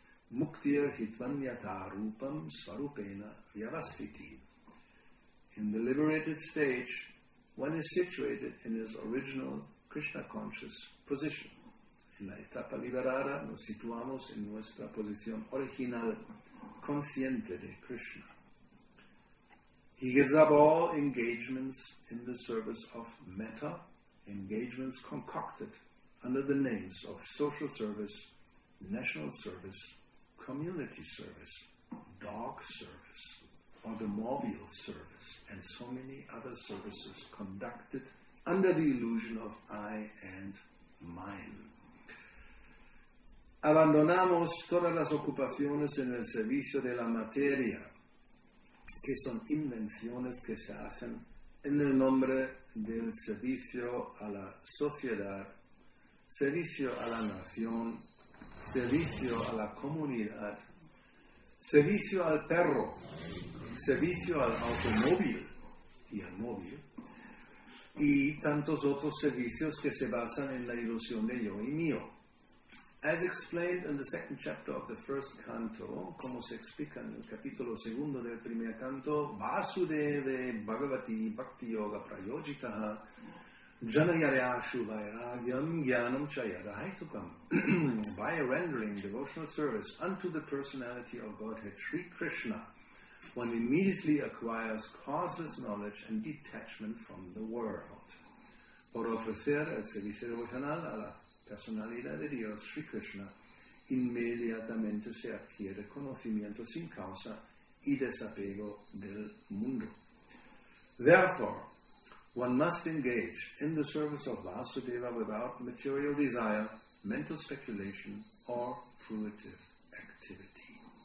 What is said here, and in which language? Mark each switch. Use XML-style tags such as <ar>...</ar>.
<sa>Muktir hitvanyata rupam svarupena yavasviti.</sa> <en>In the liberated stage, one is situated in his original Krishna conscious position.</en> <es>In la etapa liberada, nos situamos en nuestra posición original, consciente de Krishna.</es> <en>He gives up all engagements in the service of metta, engagements concocted under the names of social service, national service, community service, dog service, automobile service, and so many other services conducted under the illusion of I and mine.</en> <es>Abandonamos todas las ocupaciones en el servicio de la materia, que son invenciones que se hacen en el nombre del servicio a la sociedad, servicio a la nación, servicio a la comunidad, servicio al perro, servicio al automóvil y al móvil, y tantos otros servicios que se basan en la ilusión de yo y mío.</es> <en>As explained in the second chapter of the first canto,</en> <es>como se explica en el capítulo segundo del primer canto,</es> <sa>Vasudeva Bhagavati Bhakti Yoga Prayojita Janayaryashu Vairagyam Jnanam Chayadahaitukam.</sa> <en>By rendering devotional service unto the personality of Godhead Sri Krishna, one immediately acquires causeless knowledge and detachment from the world.</en> <es>Por ofrecer el servicio devocional a la personalidad de Dios, Sri Krishna, inmediatamente se adquiere conocimiento sin causa y desapego del mundo.</es> <en>Therefore, one must engage in the service of Vasudeva without material desire, mental speculation, or fruitive activity.</en>